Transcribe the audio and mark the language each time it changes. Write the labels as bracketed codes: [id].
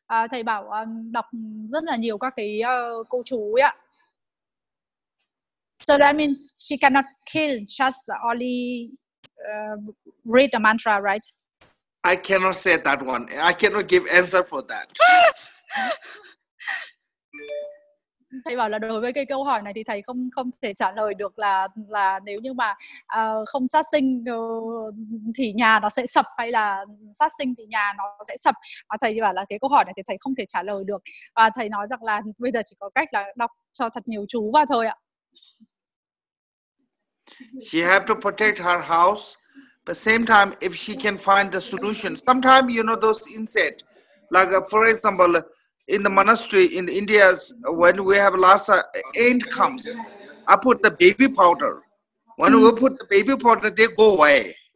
[vi] Thầy bảo đọc rất là nhiều các cái câu chú ấy ạ. [en] So that means she cannot kill, just only read the mantra, right? I cannot say that one. I cannot give answer for that. [vi] Thầy bảo là đối với cái câu hỏi này thì thầy không thể trả lời được là nếu như mà không sát sinh thì nhà nó sẽ sập, hay là sát sinh thì nhà nó sẽ sập. Thầy bảo là cái câu hỏi này thì thầy không thể trả lời được. Và thầy nói rằng là bây giờ chỉ có cách là đọc cho thật nhiều chú vào thôi ạ. [en] She have to protect her house, but same time if she can find the solution. Sometimes you know those insects, like for example, in the monastery in India, when we have Lhasa, ant comes. I put the baby powder. When we put the baby powder, they go away.